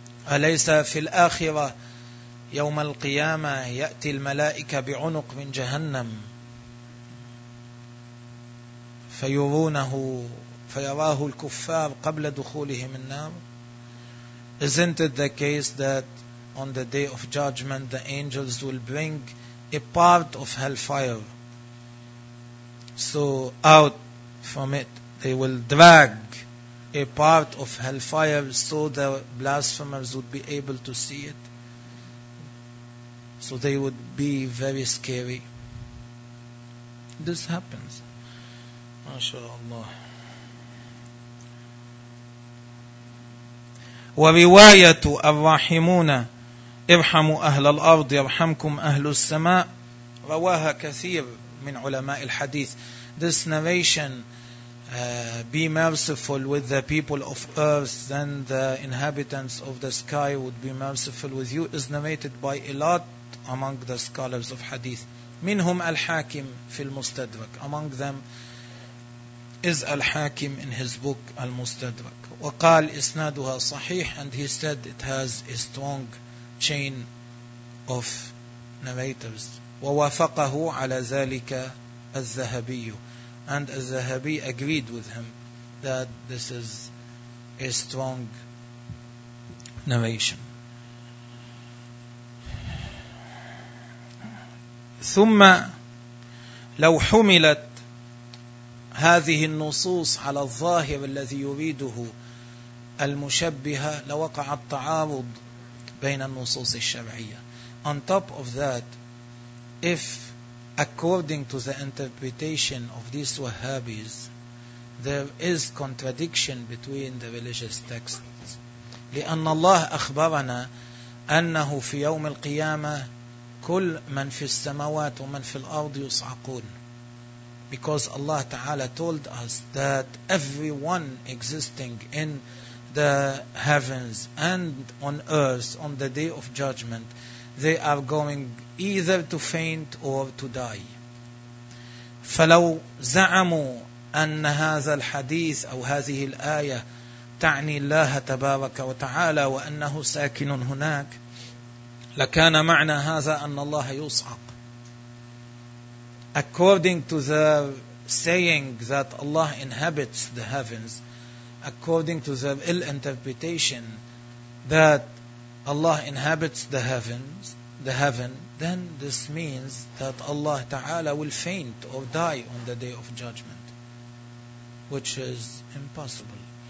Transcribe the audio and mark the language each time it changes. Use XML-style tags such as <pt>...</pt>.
<ar>أليس في الآخرة يوم القيامة يأتي الملائكة بعنق من جهنم فيرونه فيراه الكفار قبل دخولهم النار.</ar> <en>Isn't it the case that on the day of judgment the angels will bring a part of hellfire? So out from it they will drag a part of hellfire so the blasphemers would be able to see it. So they would be very scary. This happens. MashaAllah.</en> <ar>ورواية الراحمون ارحموا أهل الأرض يرحمكم أهل السماء رواها كثير من علماء الحديث.</ar> <en>This narration, be merciful with the people of earth, then the inhabitants of the sky would be merciful with you, is narrated by a lot among the scholars of hadith.</en> <ar>منهم الحاكم في المستدرك.</ar> <en>Among them is الحاكم in his book المستدرك.</en> <ar>وقال إسنادها صحيح,</ar> <en>and he said it has a strong chain of narrators.</en> <ar>ووافقه على ذلك الذهبي,</ar> <en>and الذهبي agreed with him that this is a strong narration.</en> <ar>ثم لو حملت هذه النصوص على الظاهر الذي يريده المشبهة لوقع التعارض بين النصوص الشرعية.</ar> <en>On top of that, if according to the interpretation of these Wahhabis, there is contradiction between the religious texts.</en> <ar>لأن الله أخبرنا أنه في يوم القيامة كل من في السماوات ومن في الأرض يصعقون.</ar> <en>Because Allah Ta'ala told us that everyone existing in the heavens and on earth on the day of judgment, they are going either to faint or to die.</en> <ar>فلو زعموا أن هذا الحديث أو هذه الآية تعني الله تبارك وتعالى وأنه ساكن هناك لكان معنى هذا أن الله يصعق.</ar> <en>According to the saying that Allah inhabits the heavens, according to the ill interpretation that Allah inhabits the heavens, the heaven, then this means that Allah Ta'ala will faint or die on the day of judgment, which is impossible.</en>